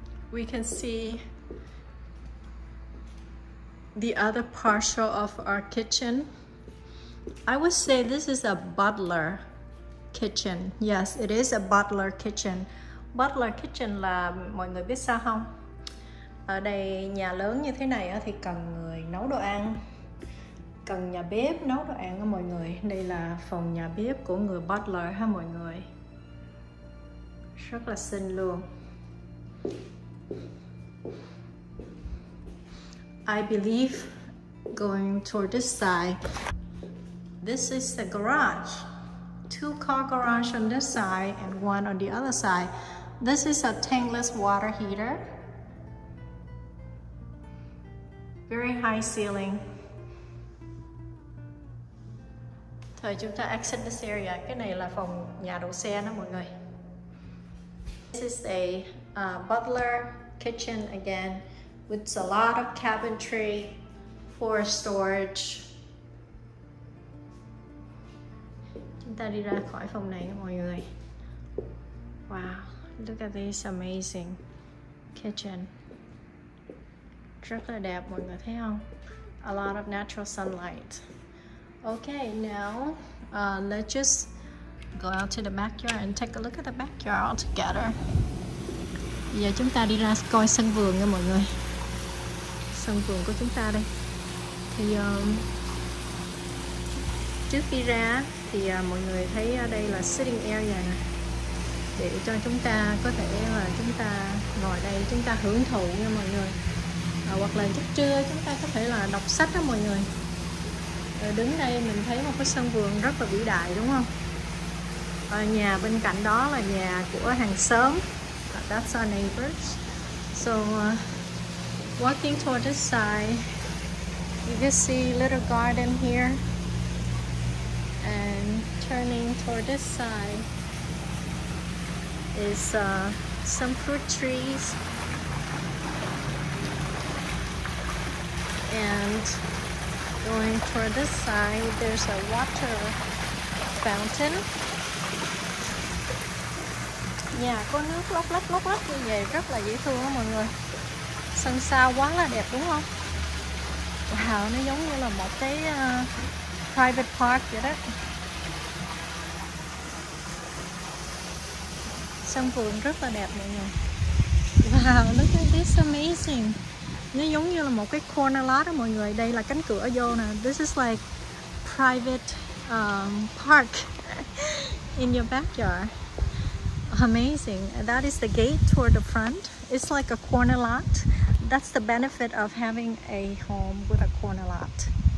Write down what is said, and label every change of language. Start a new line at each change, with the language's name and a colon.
English: We can see the other partial of our kitchen. I would say this is a butler kitchen. Yes, it is a butler kitchen.
Vietnamese: Butler kitchen là mọi người biết sao không? Ở đây nhà lớn như thế này thì cần người nấu đồ ăn, cần nhà bếp nấu đồ ăn mọi người. Đây là phòng nhà bếp của người butler ha mọi người. Rất là xinh luôn.
English: I believe going toward this side. This is the garage. Two car garage on this side and one on the other side. This is a tankless water heater. Very high ceiling.
Vietnamese: Thôi chúng ta
English: exit this area.
Vietnamese: Cái này là phòng nhà đậu xe đó mọi người.
English: This is a butler kitchen again, with a lot of cabinetry for storage.
Vietnamese: Chúng ta đi ra khỏi phòng này mọi người.
English: Wow, look at this amazing kitchen.
Vietnamese: Rất là đẹp mọi người thấy không?
English: A lot of natural sunlight. Okay, now let's just go out to the backyard and take a look at the backyard all together.
Vietnamese: Bây giờ chúng ta đi ra coi sân vườn nha mọi người. Sân vườn của chúng ta đây. Thì trước khi ra thì mọi người thấy đây là sitting area nè. Để cho chúng ta có thể là chúng ta ngồi đây chúng ta hưởng thụ nha mọi người. Hoặc là chút trưa chúng ta có thể là đọc sách đó mọi người. Đứng đây mình thấy một cái sân vườn rất là vĩ đại đúng không? Nhà bên cạnh đó là nhà của hàng xóm.
English: That's our neighbors. So walking toward this side, you can see little garden here. And turning toward this side is some fruit trees. And going toward this side, there's a water fountain.
Vietnamese: Nhà có nước lóc lách như vậy rất là dễ thương á mọi người. Sân sau quá là đẹp đúng không? Wow, nó giống như là một cái private park vậy đó. Sân vườn rất là đẹp mọi người.
English: Wow, look at this amazing.
Vietnamese: Nó giống như là một cái corner lot á mọi người. Đây là cánh cửa vô nè.
English: This is like private park in your backyard. Amazing. That is the gate toward the front. It's like a corner lot. that's the benefit of having a home with a corner lot.